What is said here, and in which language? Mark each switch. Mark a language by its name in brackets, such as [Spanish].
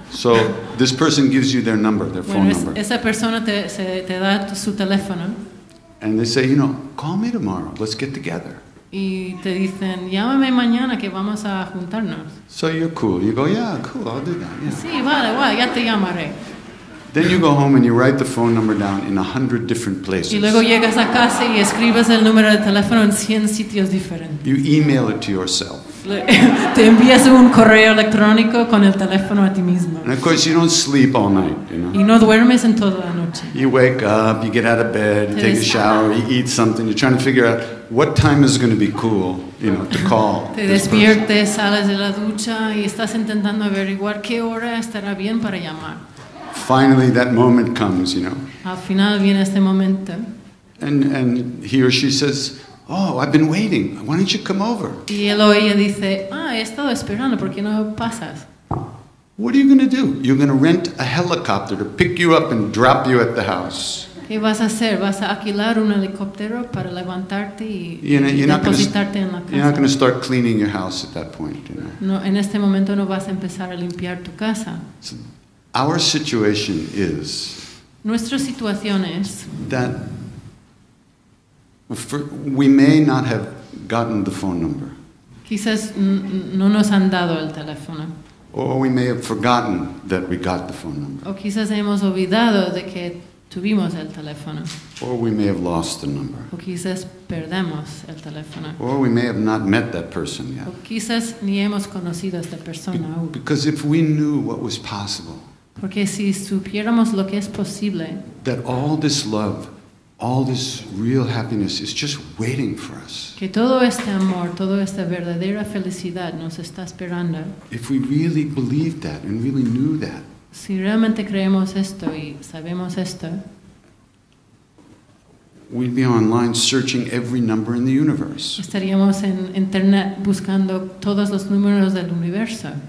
[English] So this person gives you their number, their [Spanish] bueno, [English] phone number. [Spanish] Esa persona te da su teléfono. [English] And they say, you know, "Call me tomorrow. Let's get together." [Spanish] Y te dicen, "Llámame mañana que vamos a juntarnos." [English] So you're cool. You go, "Yeah, cool. I'll do that." Yeah. [Spanish] Sí, vale, ya te llamaré. [English] Then you go home and you write the phone number down in 100 different places. [Spanish] Y luego llegas a casa y escribes el número de teléfono en 100 sitios diferentes. [English] You email it to yourself. [Spanish] Te envías un correo electrónico con el teléfono a ti mismo. [English] And of course you don't sleep all night, you know. [Spanish] Y no duermes en toda la noche. [English] You wake up, you get out of bed, you take a shower, you eat something, you're trying to figure out what time is going to be cool, you know, to call. [Spanish] Te despiertes, sales de la ducha y estás intentando averiguar qué hora estará bien para llamar. [English] Finally that moment comes, you know. [Spanish] Al final viene este momento. [English] And he or she says, "Oh, I've been waiting. Why don't you come over?" [Spanish] Y él o ella dice, "Ah, he estado esperando, ¿por qué no pasas?" [English] What are you going to do? You're going to rent a helicopter to pick you up and drop you at the house. [Spanish] ¿Qué vas a hacer? ¿Vas a alquilar un helicóptero para levantarte y depositarte en la casa? [English] You're not going to start cleaning your house at that point, you know. [Spanish] No, en este momento no vas a empezar a limpiar tu casa. [English] So our situation is [Spanish] Nuestra situación es [English] that we may not have gotten the phone number. [Spanish] Quizás no nos han dado el teléfono. [English] Or we may have forgotten that we got the phone number. [Spanish] O quizás hemos olvidado de que tuvimos el teléfono. [English] Or we may have lost the number. [Spanish] O quizás perdemos el teléfono. [English] Or we may have not met that person yet. [Spanish] O quizás ni hemos conocido a esta persona aún. [English] Because if we knew what was possible, [Spanish] porque si supiéramos lo que es posible, [English] that all this love all this real happiness is just waiting for us. [Spanish] Que todo este amor, toda esta verdadera felicidad nos está esperando. [English] If we really believed that and really knew that. [Spanish] Si realmente creemos esto y sabemos esto. [English] We'd be online searching every number in the universe. [Spanish] Estaríamos en internet buscando todos los números del universo.